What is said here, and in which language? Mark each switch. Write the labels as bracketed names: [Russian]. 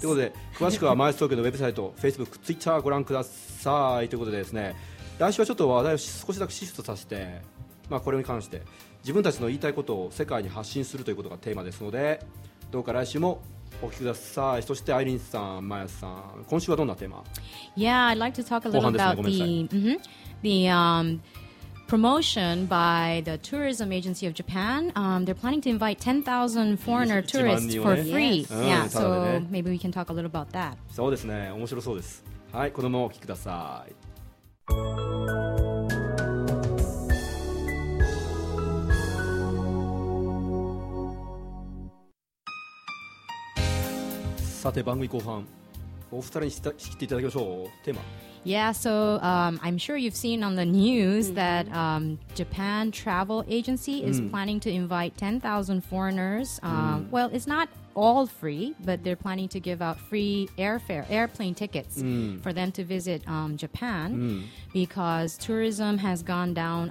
[Japanese] ということで、詳しくはマイス東京のウェブサイト、Facebook、Twitter ご覧くださいということでですね、来週はちょっと話題を少しだけシフトさせて、まあ、これに関して自分たちの言いたいことを世界に発信するということがテーマですので、どうか来週もお聞きください。そしてアイリンさん、マヤさん、今週はどんなテーマ。 [English] Yeah, I'd like to talk a little about [Japanese] ごめんなさい。 [English] Promotion by the Tourism Agency of Japan. They're planning to invite 10,000 foreigner tourists for free. Yeah, so maybe we can talk a little about that. [Japanese] そうですね。面白そうです。はい、このままお聞きください。さて、番組後半、お二人に仕切っていただきましょう。テーマ。 [English] Yeah, so I'm sure you've seen on the news that Japan Travel Agency is planning to invite 10,000 foreigners. Well, it's not all free, but they're planning to give out free airplane tickets for them to visit Japan because tourism has gone down.